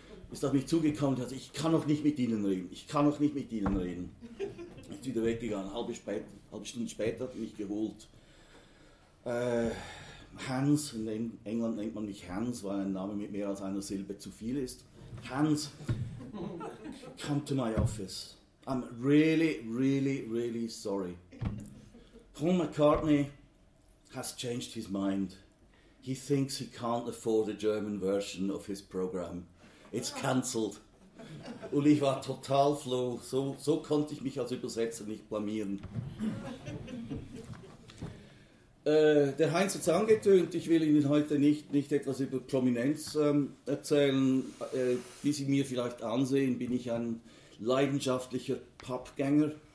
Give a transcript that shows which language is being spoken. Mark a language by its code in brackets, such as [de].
[de] Ist auf mich zugekommen und hat gesagt, ich kann noch nicht mit Ihnen reden. Ist wieder weggegangen, halbe Stunde später hat er mich geholt. Hans, in England nennt man mich Hans, weil ein Name mit mehr als einer Silbe zu viel ist. [en] Hans, come to my office. I'm really, really, really sorry. Paul McCartney has changed his mind. He thinks he can't afford a German version of his program. It's cancelled. [de] Und ich war total floh. So konnte ich mich als Übersetzer nicht blamieren. Der Heinz hat es angetönt. Ich will Ihnen heute nicht etwas über Prominenz erzählen. Wie Sie mir vielleicht ansehen, bin ich ein leidenschaftlicher Pubgänger.